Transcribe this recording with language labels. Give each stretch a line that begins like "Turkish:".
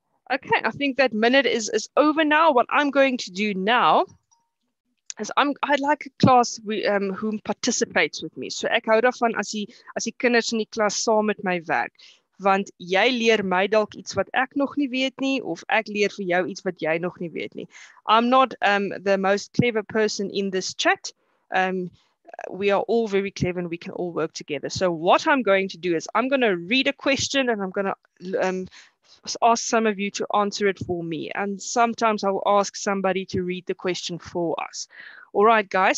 English: Okay, I think that minute is over now. What I'm going to do now is I'd like a class whom participates with me.
Afrikaans: So ek hou daarvan as die kinders in die klas saam met my werk, want jy leer my dalk iets wat ek nog nie weet nie, of ek leer vir jou iets wat jy nog nie weet nie.
English: I'm not the most clever person in this chat. We are all very clever and we can all work together. So what I'm going to do is I'm going to read a question and I'm going to ask some of you to answer it for me. And sometimes I'll ask somebody to read the question for us. All right, guys.